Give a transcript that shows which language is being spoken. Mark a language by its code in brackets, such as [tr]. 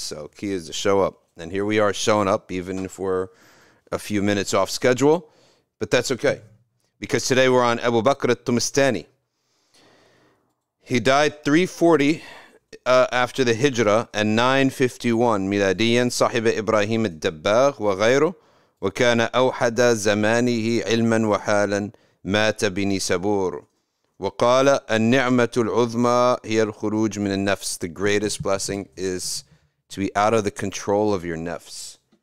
[en] So key is to show up. And here we are showing up, even if we're a few minutes off schedule. But that's okay, because today we're on Abu Bakr at-Tumastani. He died 340 after the Hijrah and 951 Miladiyan. [ar] Sahib Ibrahim al-Dabbagh wa ghayru. وكان أوحد زمانه علما وحالا مات بنيسابور وقال النعمة العظمى هي الخروج من النفس. [en] The greatest blessing is to be out of the control of your nafs.